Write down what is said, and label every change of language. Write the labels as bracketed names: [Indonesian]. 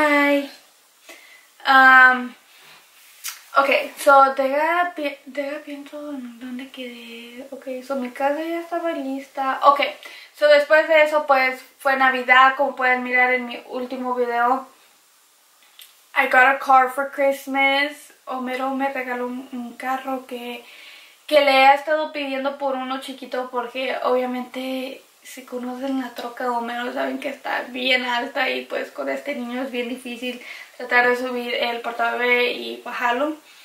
[English] Bye. Okay, so [Spanish] deja pienso en dónde quedé. [English] Okay, so [Spanish] mi casa ya estaba lista. [English] Okay, so [Spanish] después de eso, pues fue Navidad, como pueden mirar en mi último video. [English] I got a car for Christmas. [Spanish] Homero me regaló un carro que le he estado pidiendo por uno chiquito, porque obviamente si conocen la troca de Homero saben que está bien alta y pues con este niño es bien difícil tratar de subir el portabebé y bajarlo.